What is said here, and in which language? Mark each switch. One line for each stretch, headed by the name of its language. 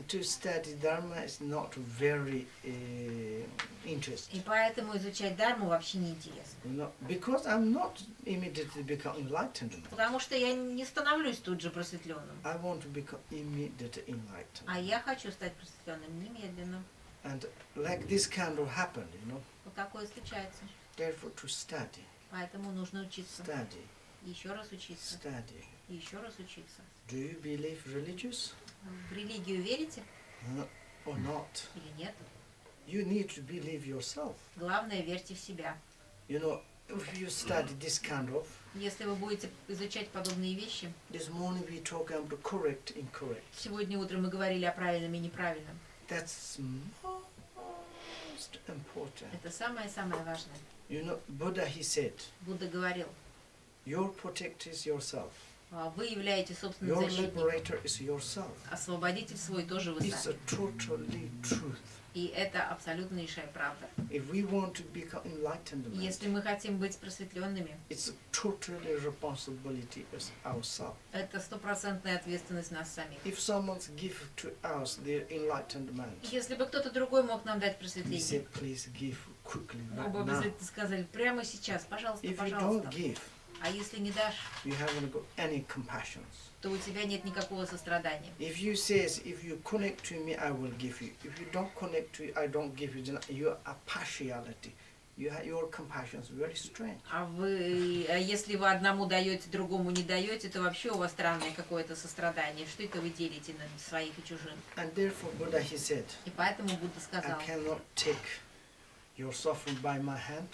English: To study dharma is not very interesting.
Russian: И поэтому изучать дарму вообще не интересно.
English: No, because I'm not immediately become enlightened.
Russian: Потому что я не становлюсь тут же просветленным.
English: I want to become immediately enlightened.
Russian: А я хочу стать просветленным немедленно.
English: And like this kind of happened, you know.
Russian: Вот такое случается.
English: Therefore to study.
Russian: Поэтому нужно учиться.
English: Study.
Russian: Еще раз учиться.
English: Study.
Russian: Еще раз учиться.
English: Do you believe religious?
Russian: В религию верите?
English: Or not?
Russian: Или нет?
English: You need to believe yourself.
Russian: Главное, верьте в себя.
English: You know, if you study this kind of.
Russian: Если вы будете изучать подобные вещи.
English: This morning we talk about correct and incorrect.
Russian: Сегодня утром мы говорили о правильном и неправильном.
English: That's most important.
Russian: Это самое-самое важное.
English: You know, Buddha he said.
Russian: Будда говорил.
English: Your protector is yourself.
Russian: Вы являете собственным
English: your
Russian: защитником.
English: Your liberator is yourself.
Russian: Освободитель свой тоже вы сами.
English: It's a totally truth.
Russian: И это абсолютнейшая правда.
English: If we want to become enlightened,
Russian: если мы хотим быть просветленными,
English: it's a totally responsibility as ourself.
Russian: Это стопроцентная ответственность нас самих.
English: If someone give to us their enlightened mind,
Russian: если бы кто-то другой мог нам дать просветление,
English: he said, please give quickly, right now.
Russian: Мы бы обязательно сказали прямо сейчас, пожалуйста,
English: if
Russian: пожалуйста.
English: If you don't give.
Russian: А если не дашь,
English: you haven't got any compassion.
Russian: То у тебя нет никакого сострадания.
English: If you says if you connect to me, I will give you. If you don't connect to me, I don't give you. Then you are partiality. Your compassion is very strange.
Russian: Если вы одному даете, другому не даете, то вообще у вас странное какое-то сострадание. Что это вы делите на своих и чужих?
English: And therefore Buddha he said.
Russian: И поэтому Будда сказал.
English: I cannot take. Your suffering by my hand.